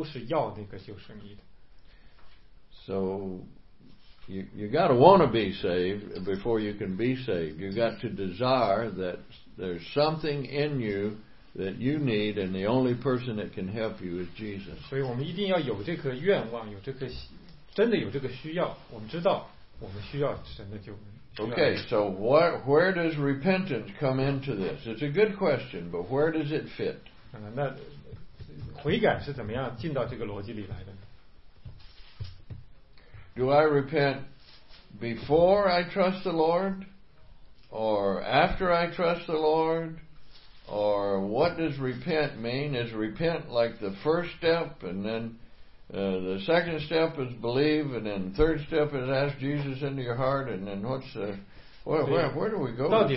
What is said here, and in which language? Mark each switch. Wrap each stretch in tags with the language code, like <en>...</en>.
<zh>所以第一我们非常重要的认识就是每一个地上的人因为是罪人，我们都是在沉下去的，我们都是要那个救生衣的。</zh> <en>So you got to want to be saved before you can be saved. You got to desire that there's something in you that you need, and the only person that can help you is Jesus.</en> <zh>所以我们一定要有这颗愿望，有这颗真的有这个需要，我们知道我们需要神的救恩。</zh> <en>Okay, so where does repentance come into this? It's a good question, but where does it fit?</en> <zh>那悔改是怎么样进到这个逻辑里来的呢？</zh> <en>Do I repent before I trust the Lord, or after I trust the Lord? Or what does repent mean? Is repent like the first step, and then the second step is believe, and then the third step is ask Jesus into your heart, and then what's the, where do we go?</en>